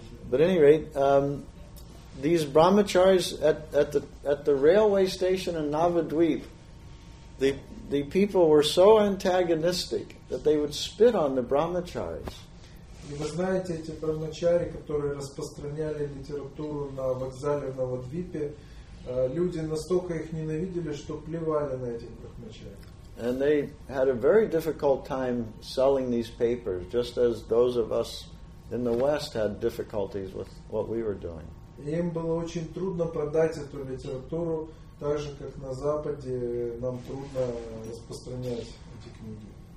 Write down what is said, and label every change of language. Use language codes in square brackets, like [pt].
[en] But at any rate, these brahmacharis at the railway station in Navadweep, the people were so antagonistic that they would spit on the brahmacharis. [ru] И вы знаете, эти брахмачари, которые распространяли литературу на вокзале в Навадвипе, люди настолько их ненавидели, что плевали на этих брахмачари. [en] And they had a very difficult time selling these papers, just as those of us in the West had difficulties with what we were doing. [ru] Им было очень трудно продать эту литературу, так же как на Западе нам трудно распространять эти книги.